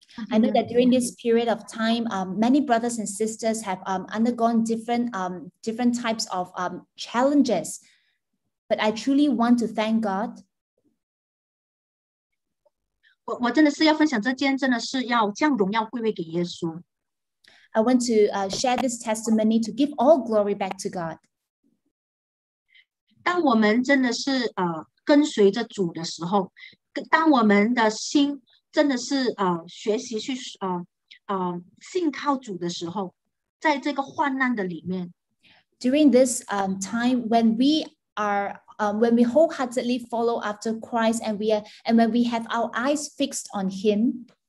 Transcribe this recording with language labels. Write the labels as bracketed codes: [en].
[en] I know that during this period of time, many brothers and sisters have undergone different types of challenges. But I truly want to thank God. [zh] 我真的是要分享这见证的是要将荣耀归位给耶稣。I [en] want to share this testimony to give all glory back to God. [zh] 当我们真的是跟随着主的时候，当我们的心 真的是学习去信靠主的时候，在这个患难的里面， [en] during this time when we are when we wholeheartedly follow after Christ and we are and when we have our eyes fixed on Him,